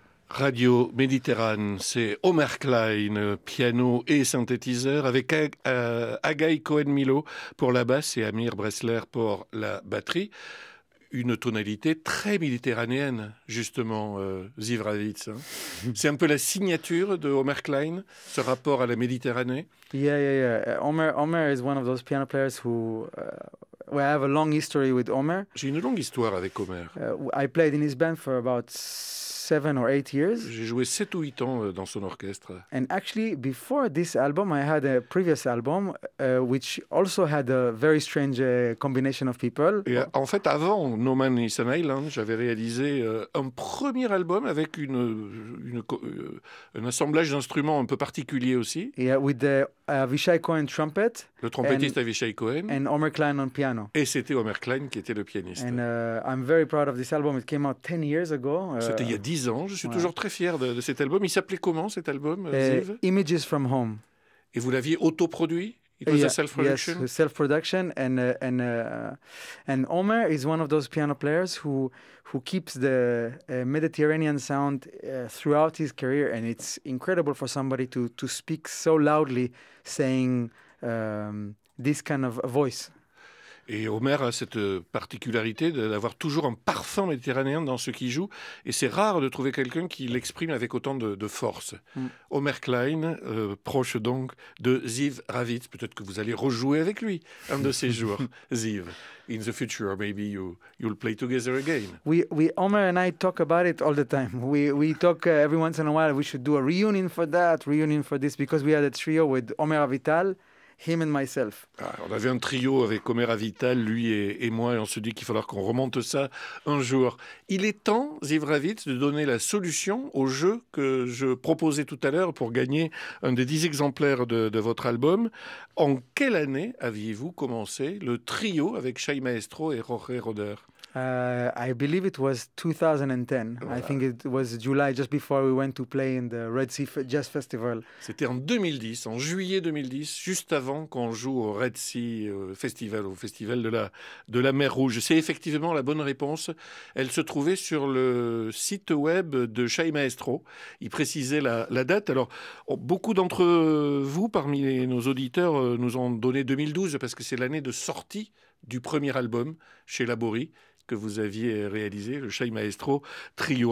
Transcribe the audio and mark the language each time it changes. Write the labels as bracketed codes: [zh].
[fr] Radio Méditerranée, c'est Omer Klein, piano et synthétiseur, avec Agai Cohen-Milo pour la basse et Amir Bressler pour la batterie. Une tonalité très méditerranéenne, justement, Zivravitz. Hein. C'est un peu la signature de Omer Klein, ce rapport à la Méditerranée. [en] Omer is one of those piano players who... Well, I have a long history with Omer. [fr] J'ai une longue histoire avec Omer. [en] I played in his band for about 7 or 8 years. [fr] J'ai joué 7 ou 8 ans dans son orchestre. [en] And actually, before this album, I had a previous album which also had a very strange combination of people. [fr] Et en fait, avant No Man Is an Island, j'avais réalisé un premier album avec un assemblage d'instruments un peu particulier aussi. [en] Yeah, with the Avishai Cohen trumpet. [fr] Le trompettiste Avishai Cohen. [en] And Omer Klein on piano. [fr] Et c'était Omer Klein qui était le pianiste. [en] And I'm very proud of this album. It came out 10 years ago. [fr] C'était il y a 10 ans. Je suis toujours très fier de cet album. Il s'appelait comment cet album, Ziv? [en] Images from Home. [fr] Et vous l'aviez autoproduit? [en] It was a self-production. Yes, self-production. And Omer is one of those piano players who keeps the Mediterranean sound throughout his career, and it's incredible for somebody to speak so loudly saying this kind of voice. [fr] Et Omer a cette particularité d'avoir toujours un parfum méditerranéen dans ce qu'il joue. Et c'est rare de trouver quelqu'un qui l'exprime avec autant de force. Mm. Omer Klein, proche donc de Ziv Ravitz. Peut-être que vous allez rejouer avec lui un de ces jours, Ziv. [en] In the future, maybe you'll play together again. We Omer and I talk about it all the time. We talk every once in a while. We should do a reunion for that, reunion for this, because we had a trio with Omer Avital. Him and myself. [fr] Ah, on avait un trio avec Omer Avital, lui et moi, et on se dit qu'il faudra qu'on remonte ça un jour. Il est temps, Ziv Ravitz, de donner la solution au jeu que je proposais tout à l'heure pour gagner un des 10 exemplaires de votre album. En quelle année aviez-vous commencé le trio avec Shai Maestro et Jorge Roder? [en] I believe it was 2010. Voilà. I think it was July, just before we went to play in the Red Sea Jazz Festival. [fr] C'était en 2010, en juillet 2010, juste avant qu'on joue au Red Sea Festival, au Festival de la Mer Rouge. C'est effectivement la bonne réponse. Elle se trouvait sur le site web de Shai Maestro. Il précisait la date. Alors, beaucoup d'entre vous, parmi nos auditeurs, nous ont donné 2012 parce que c'est l'année de sortie du premier album chez Laborie que vous aviez réalisé, le Shai Maestro Trio.